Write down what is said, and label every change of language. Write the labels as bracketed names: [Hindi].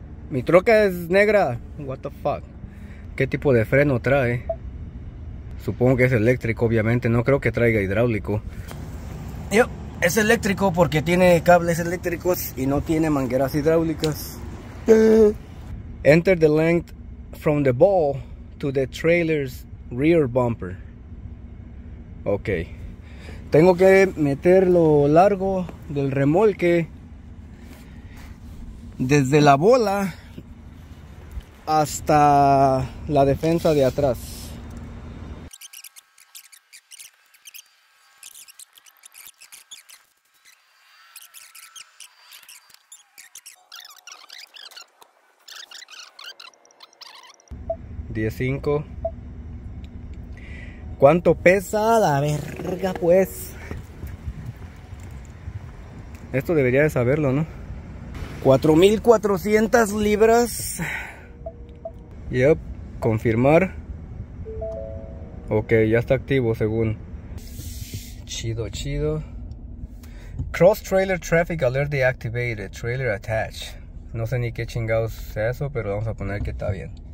[Spanish] Mi troca es negra. [English] What the fuck. [Spanish] ¿Qué tipo de freno trae? Supongo que es eléctrico, obviamente. No creo que traiga hidráulico. [English] Yep. [Spanish] Es eléctrico porque tiene cables eléctricos y no tiene mangueras hidráulicas. [English] Enter the length from the ball to the trailer's rear bumper. Ok. [Spanish] Tengo que meter lo largo del remolque desde la bola hasta la defensa de atrás. Cinco. ¿Cuánto pesa la verga, pues? Esto debería de saberlo, ¿no? 4,400 libras. Yep, confirmar. Ok, ya está activo, según. Chido, chido. [English] Cross trailer traffic alert deactivated. Trailer attached. [Spanish] No sé ni qué chingados es eso, pero vamos a poner que está bien.